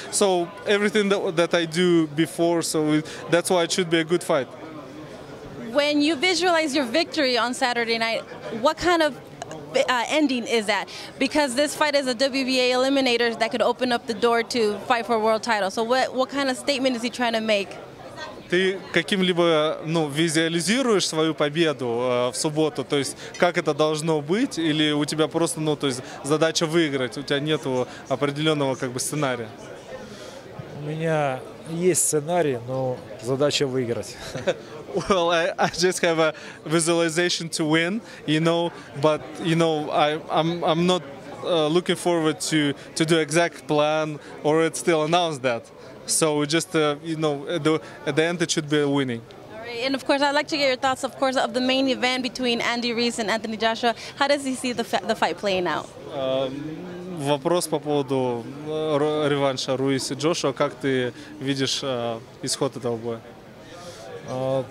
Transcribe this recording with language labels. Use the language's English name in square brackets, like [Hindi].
[English] So everything that I do before, so that's why it should be a good fight. When you visualize your victory on Saturday night, what kind of ending is that? Because this fight is a WBA eliminator that could open up the door to fight for a world title. So what kind of statement is he trying to make? [Russian] Ты каким-либо, ну, визуализируешь свою победу в субботу? То есть как это должно быть? Или у тебя просто, ну, то есть задача выиграть? У тебя нету определенного, как бы, сценария? У меня есть сценарий, но задача выиграть. [English] Well, I just have a visualization to win, you know, but, you know, I'm not looking forward to do exact plan or it still announced that. So just, you know, at the end it should be a winning. All right. And of course, I'd like to get your thoughts, of course, of the main event between Andy Ruiz and Anthony Joshua. How does he see the fight playing out? [Russian] Вопрос по поводу реванша Руис и Джошуа. Как ты видишь исход этого боя?